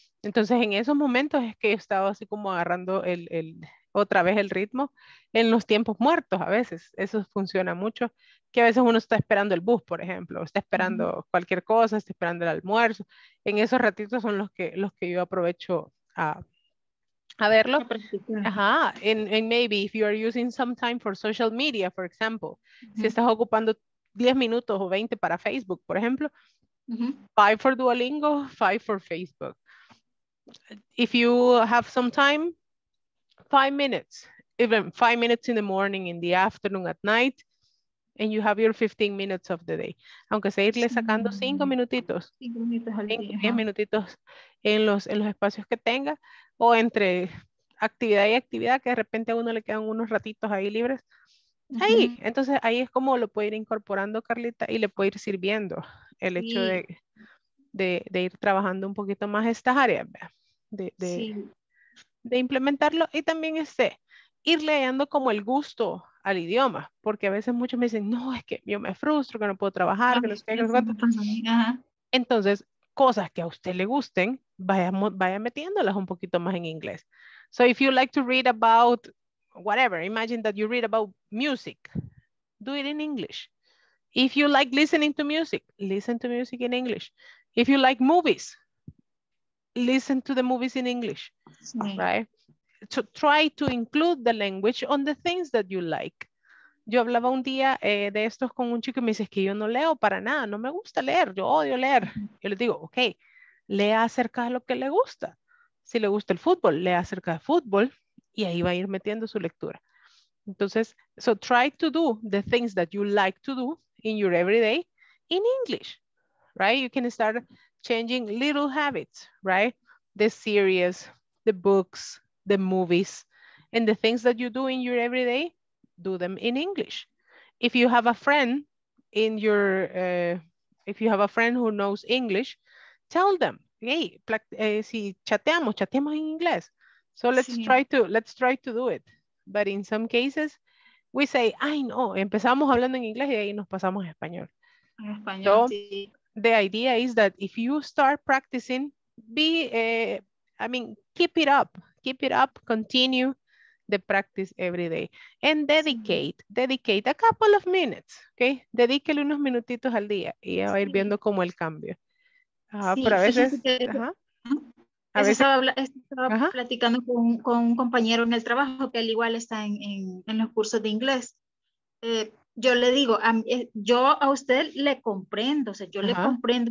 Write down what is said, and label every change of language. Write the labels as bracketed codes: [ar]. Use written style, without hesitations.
[es] Entonces, en esos momentos es que he estado así como agarrando el otra vez el ritmo, en los tiempos muertos a veces, eso funciona mucho, que a veces uno está esperando el bus, por ejemplo, está esperando uh-huh. cualquier cosa, está esperando el almuerzo, en esos ratitos son los que yo aprovecho a verlo. Ajá. [en] And maybe if you are using some time for social media, for example, uh-huh. [es] si estás ocupando 10 minutos o 20 para Facebook, por ejemplo, uh-huh. [en] 5 for Duolingo, 5 for Facebook. If you have some time, 5 minutes, even 5 minutes in the morning, in the afternoon, at night, and you have your 15 minutes of the day. [es] Aunque sea irle sacando 5 minutitos, 10 minutitos en los espacios que tenga, o entre actividad y actividad, que de repente a uno le quedan unos ratitos ahí libres. Uh-huh. Ahí, entonces ahí es como lo puede ir incorporando, Carlita, y le puede ir sirviendo el hecho de ir trabajando un poquito más estas áreas, de implementarlo, y también irle dando como el gusto al idioma, porque a veces muchos me dicen, no, es que yo me frustro, que no puedo trabajar, que no sé qué, que no sé. Entonces, cosas que a usted le gusten, vaya metiéndolas un poquito más en inglés. [en] So if you like to read about whatever, imagine that you read about music, do it in English. If you like listening to music, listen to music in English. If you like movies, listen to the movies in English, sí. Right? So try to include the language on the things that you like. [es] Yo hablaba un día de estos con un chico y me dice, es que yo no leo para nada, no me gusta leer, yo odio leer. Yo le digo, ok, lea acerca de lo que le gusta. Si le gusta el fútbol, lea acerca de fútbol, y ahí va a ir metiendo su lectura. [en] Entonces, so try to do the things that you like to do in your everyday in English, right? You can start changing little habits, right? The series, the books, the movies, and the things that you do in your everyday, do them in English. If you have a friend in your, if you have a friend who knows English, tell them, hey, [es] si chateamos en inglés. [en] So let's try to do it. But in some cases, we say, [es] ay no, empezamos hablando en inglés y ahí nos pasamos a español. Español, so, sí. [en] The idea is that if you start practicing, keep it up, continue the practice every day, and dedicate a couple of minutes, okay? [es] Dedíquele unos minutitos al día y va a ir viendo cómo el cambio. Pero a veces, A veces estaba platicando con un compañero en el trabajo que él igual está en los cursos de inglés. Yo le digo, yo a usted le comprendo, o sea, yo le comprendo.